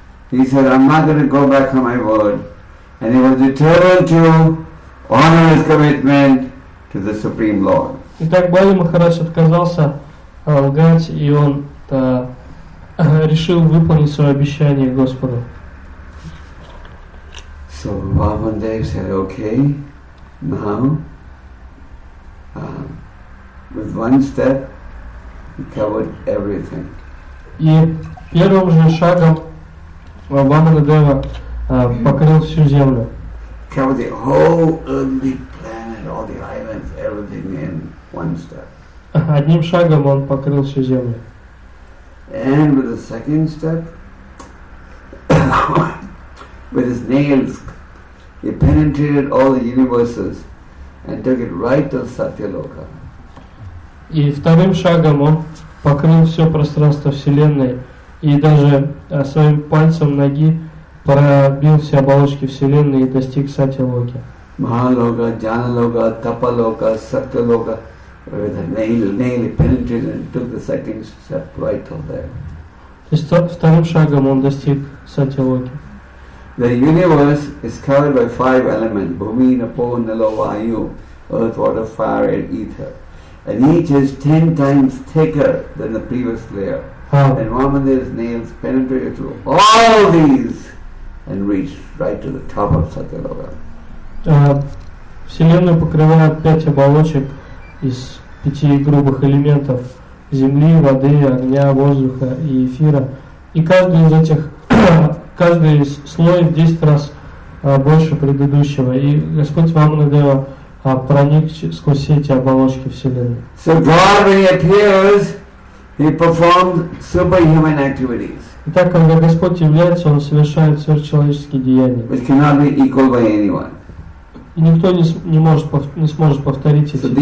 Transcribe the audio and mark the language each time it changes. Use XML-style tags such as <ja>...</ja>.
<en>He said, I'm not going to go back on my word. And he was determined to honor his commitment to the Supreme Lord.</en> <ru>Итак, Бали Махарадж отказался лгать, и он решил выполнить свое обещание Господу.</ru> <en>So Vamadev said, okay, now, with one step, he covered everything.</en> <ru>И первым же шагом Вамадева покрыл всю землю.</ru> <en>Covered the whole earthly planet, all the islands, everything in one step.</en> <ru>Одним шагом он покрыл всю землю.</ru> <en>And with the second step, with his nails, he penetrated all the universes and took it right to Satyaloka.</en> <ru>И вторым шагом он покрыл все пространство Вселенной и даже своим пальцем ноги пробил все оболочки Вселенной и достиг Сатьялоки. Махалока, Джаналока, Тапалока, Сатьялока.</ru> <en>With a nail, he penetrated and took the second step right to there.</en> <ru>То есть вторым шагом он достиг Сатьялоки.</ru> <en>The universe is covered by five elements: Bhumi, Napo, Nilo, Vayu, Earth, Water, Fire, and Ether. And each is 10 times thicker than the previous layer. And Vamadeva's nails penetrated through all these and reached right to the top of Satyaloka.</en> <ru>Вселенную покрывает 5 оболочек. Из 5 грубых элементов земли, воды, огня, воздуха и эфира. И каждый из этих, каждый слой в 10 раз больше предыдущего. И Господь Вамадева проник сквозь все эти оболочки Вселенной.</ru> <en>So God, when he appears, he performed superhuman activities.</en> <ru>Итак, когда Господь является, Он совершает сверхчеловеческие деяния.</ru> <en>Which cannot be equal by anyone.</en> <ru>И никто не сможет повторить эти</ru>